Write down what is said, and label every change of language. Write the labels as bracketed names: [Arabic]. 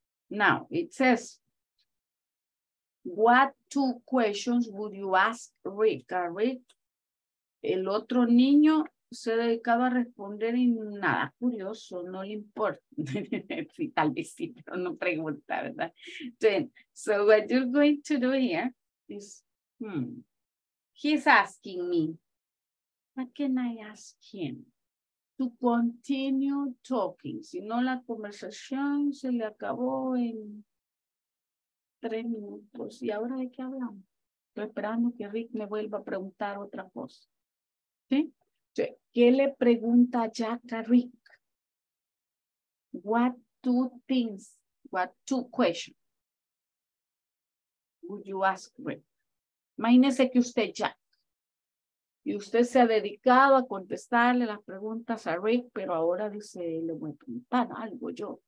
[English] Now, it says, what two questions would you ask Rick? [Spanish] Rick, el otro niño se ha dedicado a responder y nada, curioso, no le importa. Sí, tal vez sí, pero no pregunta, ¿verdad? [English] Then, so what you're going to do here is, he's asking me, what can I ask him? To continue talking. [Spanish] Si no, la conversación se le acabó en 3 minutos. ¿Y ahora de qué hablamos? Estoy esperando que Rick me vuelva a preguntar otra cosa. ¿Sí? ¿Qué le pregunta Jack a Rick? [English] What two things, what two questions would you ask Rick? [Spanish] Imagínese que usted, Jack, y usted se ha dedicado a contestarle las preguntas a Rick, pero ahora dice, le voy a preguntar algo yo.